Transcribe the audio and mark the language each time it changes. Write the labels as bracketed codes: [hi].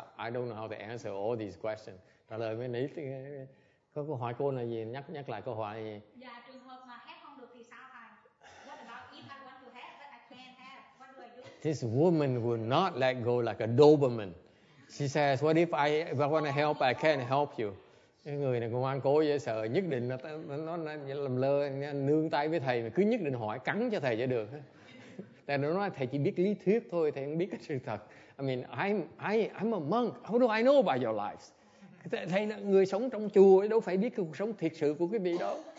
[en] I don't know how to answer all these questions. [vi] Trả lời bên này thì có câu hỏi cô là gì? Nhắc lại câu hỏi gì? Dạ, trường hợp mà hát không được thì sao thầy? [en] What about if I want to hát, but I can't hát? What do I do? This woman will not let go like a Doberman. She says, what if I want to help, I can't help you. [vi] Cái người này cũng ngoan cố dễ sợ, nhất định nó làm lơ, nương tay với thầy mà cứ nhất định hỏi cắn cho thầy cho được. Tại nó nói thầy chỉ biết lý thuyết thôi, thầy không biết cái sự thật. [en] I mean, I'm a monk, how do I know about your lives? [vi] Thầy là người sống trong chùa, đâu phải biết cái cuộc sống thiệt sự của quý vị đâu.